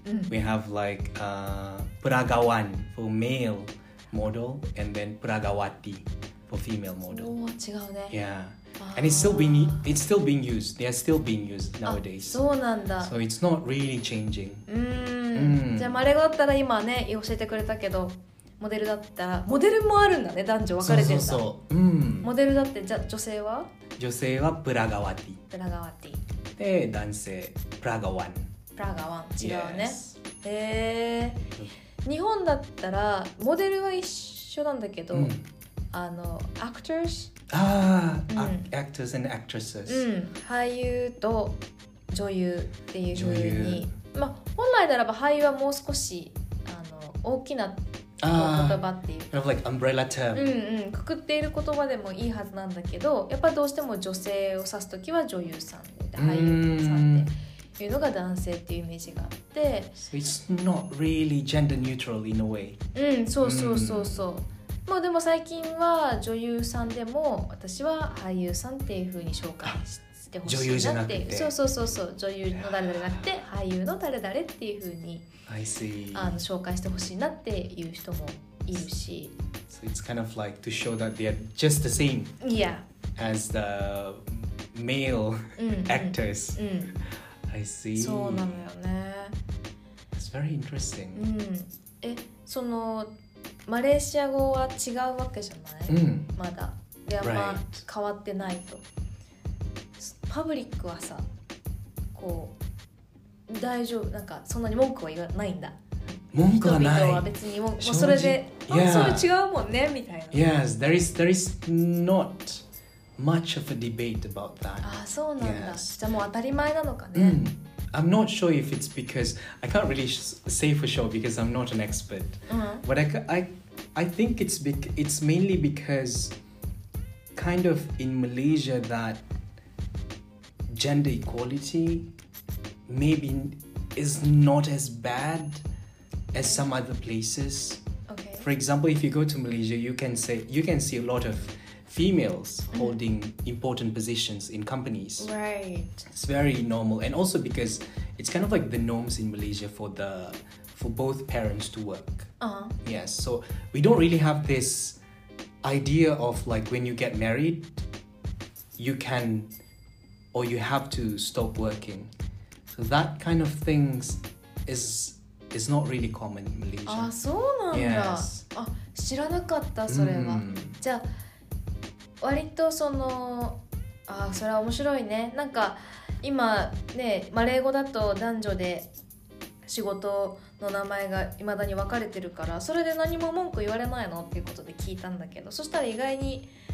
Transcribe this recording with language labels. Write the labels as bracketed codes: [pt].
[en] We have like pragawan for male model and then pragawati for female model. [ja] Oh, 違うね。 [en] Yeah. And it's still being used. They are still being used nowadays. [ja] そうなんだ。 [en] So it's not really changing. [ja] じゃあマレ語だったら今ね教えてくれたけど、モデルだったらモデルもあるんだね、男女分かれてるんだ。そうそうそう、うん、モデルだってじゃあ女性は、女性はプラガワティ、プラガワティで男性プラガワン、プラガワン違うね、yes. へー日本だったらモデルは一緒なんだけど、うん、あのアクターズ、あ、うん、アクターズ [en] and actresses、 [ja] うん、俳優と女優っていう風に、まあ、本来ならば俳優はもう少しあの大きな言葉っていう、 [en] kind of like umbrella term、 [ja] うんうん、くくっている言葉でもいいはずなんだけど、やっぱどうしても女性を指すときは女優さんで、俳優さんっていうのが男性っていうイメージがあって、 [en] so、it's not really gender neutral in a way、 [ja] うん、そうそうそうそう、まあでも最近は女優さんでも私は俳優さんっていう風に紹介してほしいなって、女優じゃなくて、そうそうそうそう、女優の誰々じゃなくて俳優の誰々っていう風に、 [en] I see. [ja] あの紹介してほしいなっていう人もいるし、 [en] so it's kind of like to show that they are just the same、 yeah. as the male actors、 [ja] うんうんうん、 [en] I see. [ja] そうなのよね、 [en] it's very interesting、 [ja] うん、え、そのマレーシア語は違うわけじゃない、うん、まだであんま変わってないと、right. パブリックはさ、こう大丈夫、なんかそんなに文句は言わないんだ、文句はない、人々は別に、もうそれで、yeah. あ、それ違うもんねみたいな、 [en] Yes, there is not much of a debate about that、 [ja] あ、そうなんだ、yes. じゃあもう当たり前なのかね、 [en] うん、I'm not sure if it's because I can't really say for sure because I'm not an expert.、 Uh-huh. But I think it's mainly because kind of in Malaysia that gender equality maybe is not as bad as some other places. Okay. For example, if you go to Malaysia, you can see a lot of females holding important positions in companies. Right. It's very normal. And also because it's kind of like the norms in Malaysia for both parents to work. Uh-huh. Yes. So we don't really have this idea of like when you get married, you can or you have to stop working. So that kind of things is not really common in Malaysia. [ja] Ah, そうなんだ。 [en] Yes. [ja] あ、知らなかった、それは。じゃあ、割とそのあ、それは面白いね、なんか今ねマレー語だと男女で仕事の名前が未だに分かれてるから、それで何も文句言われないのっていうことで聞いたんだけど、そしたら意外に